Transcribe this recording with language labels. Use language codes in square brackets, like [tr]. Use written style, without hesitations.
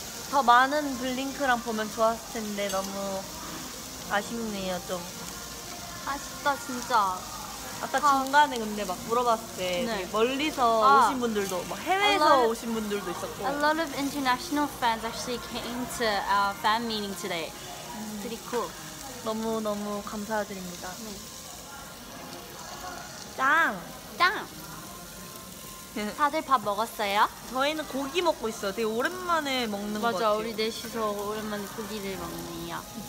[ko] 더 많은 블링크랑 보면 좋았을 텐데 너무 아쉽네요 좀. 아쉽다 진짜. 아까 다... 중간에 근데 막 물어봤을 때 네. 멀리서 아, 오신 분들도 막 해외에서 오신 분들도 있었고. [en] A lot of international fans actually came to our fan meeting today. Pretty cool. [ko] 너무 너무 감사드립니다. 짱. 짱. 다들 밥 먹었어요? 저희는 고기 먹고 있어요. 되게 오랜만에 먹는 거 같아요. 맞아, 우리 넷이서 오랜만에 고기를 먹네요.